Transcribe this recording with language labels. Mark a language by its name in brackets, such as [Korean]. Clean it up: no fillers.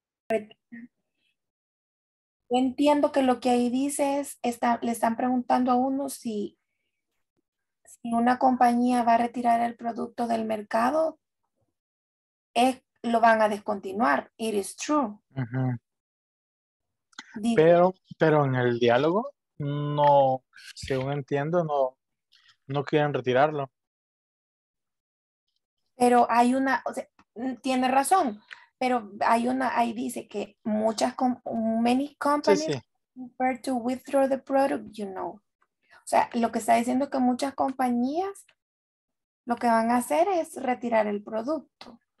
[Spanish] yo entiendo que lo que ahí dice es está, le están preguntando a uno si una compañía va a retirar el producto del mercado es lo van a descontinuar. [English] It is true. Uh-huh. [Spanish] Pero en el diálogo no, según entiendo, no quieren retirarlo. Pero hay una, o sea, tiene razón, Pero hay una, ahí dice que muchas, [English] many companies prefer to withdraw the product, you know. [Spanish] O sea, lo que está diciendo es que muchas compañías lo que van a hacer es retirar el producto.